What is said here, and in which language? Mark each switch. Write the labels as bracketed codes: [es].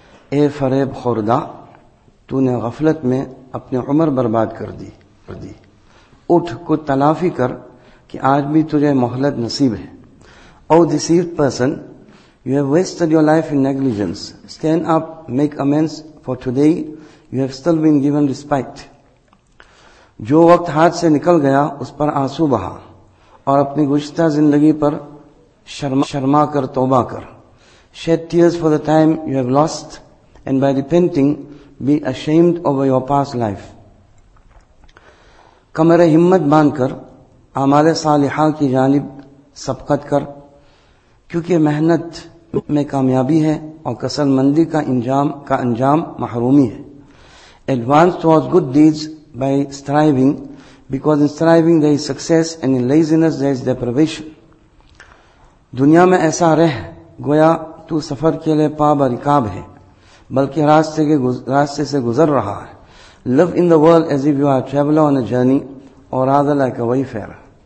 [ur] اے فریب خوردہ، تو نے غفلت میں اپنی عمر برباد کر دی. اٹھ کو تلافی کر کہ آج بھی تجھے مہلت نصیب ہے. [en] او deceived person, you have wasted your life in negligence. Stand up, make amends, for today you have still been given respite. [ur] جو وقت ہاتھ سے نکل گیا اس پر آنسو بہا، اور اپنی گزشتہ زندگی پر شرما کر توبہ کر. [en] Shed tears for the time you have lost, and by repenting, be ashamed over your past life. [ur] کمر ہمت باندھ کر اعمال صالحہ کی جانب سبقت کر، کیونکہ محنت میں کامیابی ہے اور کسل مندی کا انجام محرومی ہے. [en] Advance towards good deeds by striving, because in striving there is success and in laziness there is deprivation. [ur] دنیا میں ایسا رہ گویا تو سفر کے لئے پا برکاب ہے، بلکہ راستے سے گزر رہا ہے. [en] Live in the world as if you are a traveler on a journey, or rather like a wayfarer.